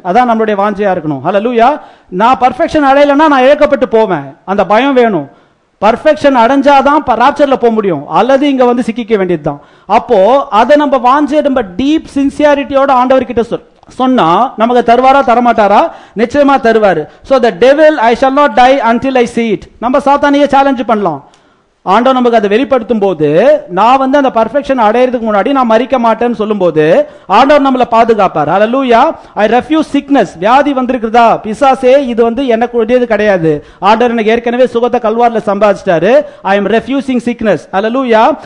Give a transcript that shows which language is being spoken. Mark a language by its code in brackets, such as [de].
[ta] அதான் நம்மளுடைய வாஞ்சையா இருக்கணும். ஹல்லேலூயா. நான் பர்ஃபெக்ஷன் அடையலன்னா நான் இழக்கப்பட்டு போவேன். அந்த பயம் வேணும். பர்ஃபெக்ஷன் அடைஞ்சாதான் ராப்சர்ல போக முடியும், அல்லது இங்க வந்து சிக்கிக்க வேண்டியதுதான். அப்போ அதை நம்ம வாஞ்சைய நம்ம டீப் சின்சியாரிட்டியோட ஆண்டவர்கிட்ட சொன்னா நமக்கு தருவாரா தரமாட்டாரா? நிச்சயமா தருவாரு. [en] So the devil, I shall not die until I see it. [ta] நம்ம சாத்தானியே சேலஞ்ச் பண்ணலாம். ஆண்டவர் நமக்கு அதை வெளிப்படுத்தும் போது, நான் வந்து அந்த பர்ஃபெக்ஷன் அடையிறதுக்கு முன்னாடி நான் மறிக்க மாட்டேன்னு சொல்லும் போது ஆண்டவர் நம்மளை பாதுகாப்பார். ஹல்லேலூயா. [en] I refuse sickness. [ta] வியாதி வந்திருக்குதா பிசாசே, இது வந்து எனக்கு உடையது கிடையாது. ஆண்டவர் எனக்கு ஏற்கனவே சுகத்தை கல்வாரில் சம்பாதிச்சிட்டாரு. [en] I am refusing sickness. [ta] Hallelujah.